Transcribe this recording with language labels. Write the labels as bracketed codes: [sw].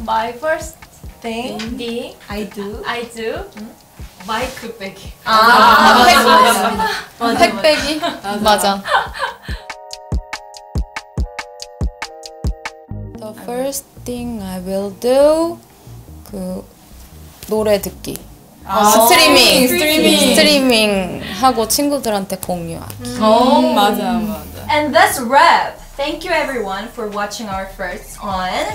[en] My first thing I do. [ko] 마이크 빼기. 아, 팩 빼기. 맞아. [en] The first thing I will do [ko] 그 노래 듣기. 스트리밍 하고 친구들한테 공유하기. 맞아 맞아. [en] And that's wrap. Thank you everyone for watching our first on